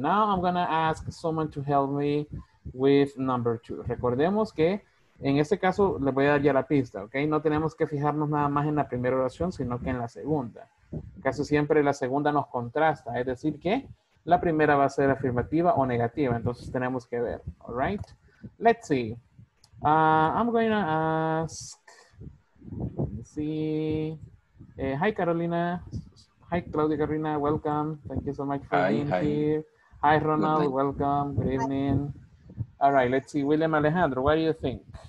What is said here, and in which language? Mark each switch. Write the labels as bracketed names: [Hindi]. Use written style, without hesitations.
[English] Now I'm gonna ask someone to help me with number two. [Spanish] Recordemos que en este caso le voy a dar ya la pista, okay? No tenemos que fijarnos nada más en la primera oración, sino que en la segunda. Casi siempre la segunda nos contrasta, es decir que la primera va a ser afirmativa o negativa, entonces tenemos que ver, all right? [English] Let's see. I'm going to ask, let's see, hi Carolina, hi Claudia Carolina, welcome, thank you so much for being here, hi Ronald, welcome, good evening, all right, let's see, William Alejandro, what do you think?